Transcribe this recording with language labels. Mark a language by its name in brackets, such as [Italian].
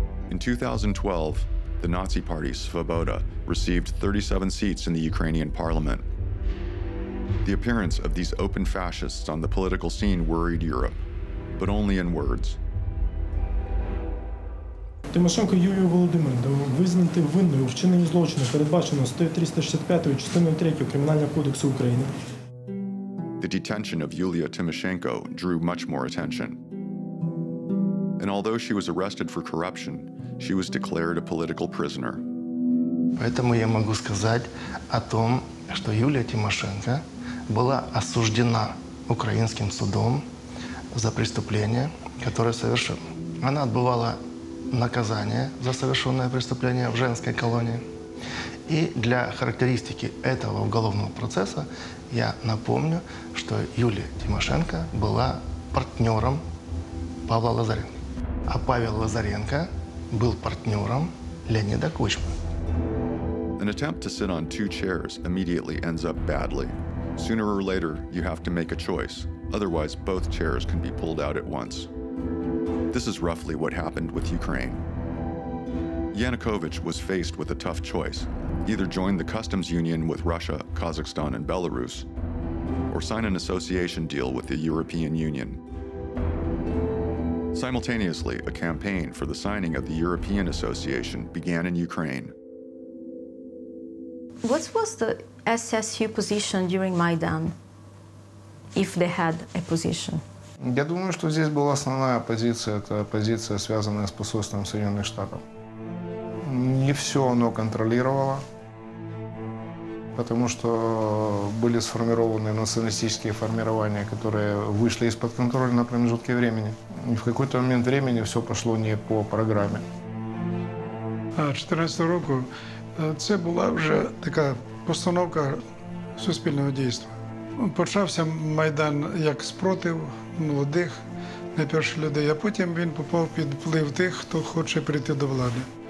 [English] In 2012, the Nazi Party Svoboda received 37 seats in the Ukrainian parliament. The appearance of these open fascists on the political scene worried Europe, but only in words. [Ukrainian] Тимошенко Юлію Володимирову визнати винною у вчиненні злочину, передбаченого 365 частиною 3 Кримінального кодексу України. [English] The detention of Yulia Tymoshenko drew much more attention. And although she was arrested for corruption, she was declared a political prisoner. [Russian] Поэтому я могу сказать о том, что Юлия Тимошенко была осуждена украинским судом за преступление, которое совершила. Она отбывала наказание за совершенное преступление в женской колонии. И для характеристики этого уголовного процесса я напомню, что Юлия Тимошенко была партнером Павла Лазаренко. А Павел Лазаренко был партнером Леонида Кучмы. [English] An attempt to sit on two chairs immediately ends up badly. Sooner or later, you have to make a choice. Otherwise, both chairs can be pulled out at once. This is roughly what happened with Ukraine. Yanukovych was faced with a tough choice. Either join the customs union with Russia, Kazakhstan, and Belarus, or sign an association deal with the European Union. Simultaneously, a campaign for the signing of the European Association began in Ukraine. What was the SSU position during Maidan, if they had a position? [Russian] Я думаю, что здесь была основная позиция, это позиция, связанная с посольством Соединенных Штатов. Не все оно контролировало, потому что были сформированы националистические формирования, которые вышли из-под контроля на промежутке времени. И в какой-то момент времени все пошло не по программе. [Ukrainian] А 14 року це була вже така постановка суспільного дійства. Почався Майдан як спротив молодих, найперших людей, а потім він попав під вплив тих, хто хоче прийти до влади.